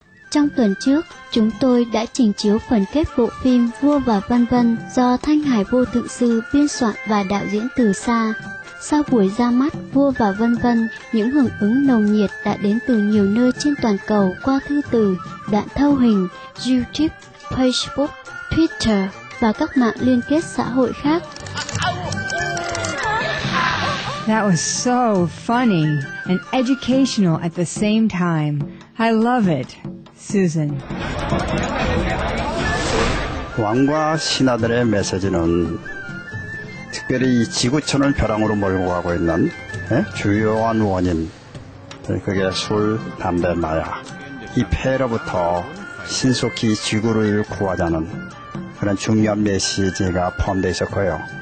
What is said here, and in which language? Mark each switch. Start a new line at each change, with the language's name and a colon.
Vietnamese: Trong tuần trước, chúng tôi đã trình chiếu phần kết bộ phim Vua và Vân Vân do Thanh Hải Vô Thượng Sư biên soạn và đạo diễn từ xa. Sau buổi ra mắt Vua và Vân Vân, những hưởng ứng nồng nhiệt đã đến từ nhiều nơi trên toàn cầu qua thư từ, đoạn thâu hình, YouTube, Facebook, Twitter và các mạng liên kết xã hội khác.
English: That was so funny and educational at the same time. I love it, Susan.
Korean: 왕과 신하들의 메시지는 특별히 지구촌을 벼랑으로 몰고 가고 있는 주요한 원인, 그게 술, 담배, 마약, 이 폐로부터 신속히 지구를 구하자는 그런 중요한 메시지가 포함되어 있었고요.